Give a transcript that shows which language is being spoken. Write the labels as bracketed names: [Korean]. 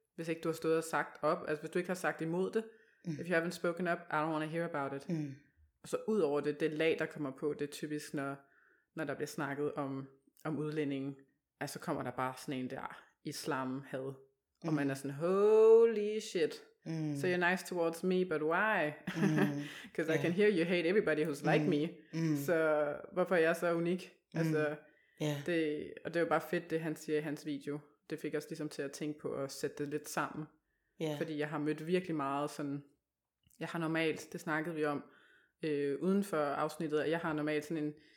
[Danish] Hvis ikke du har stået og sagt op, altså hvis du ikke har sagt imod det, [English] if you haven't spoken up, I don't want to hear about it. Mm. [Danish] Og så ud over det lag, der kommer på, det er typisk, når der bliver snakket om udlændingen, altså så kommer der bare sådan en der islam-had, og man er sådan, [English] holy shit. Mm. So you're nice towards me, but why? Because I can hear you hate everybody who's like me. [Danish] Så hvorfor er jeg så unik? Altså, det, og det er jo bare fedt, det han siger i hans video. Det fik os ligesom til at tænke på at sætte det lidt sammen. [English] Yeah. [Danish] Fordi jeg har mødt virkelig meget sådan... Jeg har normalt, det snakkede vi om uden for afsnittet, jeg har normalt sådan en...